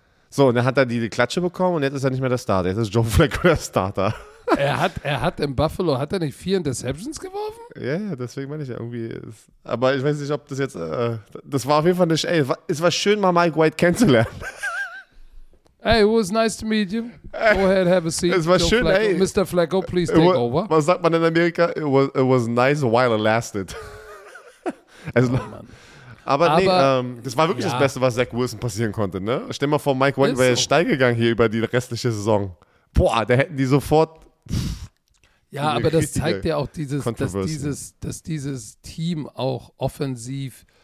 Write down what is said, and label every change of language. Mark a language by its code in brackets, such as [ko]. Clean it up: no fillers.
[de] So, und dann hat er die Klatsche bekommen und jetzt ist er nicht mehr der Starter. Jetzt ist Joe Flacco der Starter. Er hat in Buffalo, hat er nicht 4 Interceptions geworfen? Ja, yeah, deswegen meine ich ja irgendwie. Aber ich weiß nicht, ob das jetzt, das war auf jeden Fall nicht, ey, es war schön, mal Mike White kennenzulernen. [en] Hey, it was nice to meet you. Go ahead, have a seat. [de] Es war Joe schön, Flacco. Ey. [en] Mr. Flacco, please take over. [de] Was sagt man in Amerika? [en] It was nice while it lasted. [de] Das war wirklich das Beste, was Zach Wilson passieren konnte, ne? Stell mal vor, Mike White wäre jetzt steil gegangen hier über die restliche Saison. Boah, da hätten die sofort. Ja, aber das zeigt ja auch dieses Team auch offensiv